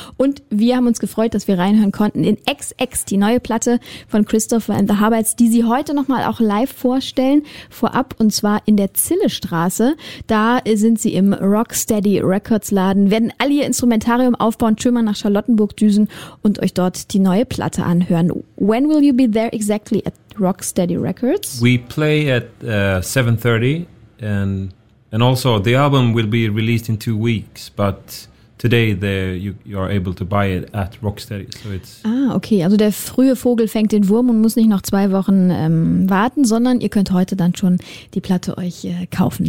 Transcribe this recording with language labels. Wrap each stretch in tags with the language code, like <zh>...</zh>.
<de>Und wir haben uns gefreut, dass wir reinhören konnten in XX, die neue Platte von Christopher and the Harbourheads, die sie heute nochmal auch live vorstellen, vorab und zwar in der Zillestraße. Da sind sie im Rocksteady Records Laden, werden all ihr Instrumentarium aufbauen, schön mal nach Charlottenburg düsen und euch dort die neue Platte anhören.</de> <en>When will you be there exactly at Rocksteady Records? We play at 7:30 and also the album will be released in 2 weeks, but today you are able to buy it at Rocksteady. So it's</en> <de>okay, also der frühe Vogel fängt den Wurm und muss nicht noch 2 Wochen warten, sondern ihr könnt heute dann schon die Platte euch kaufen.</de>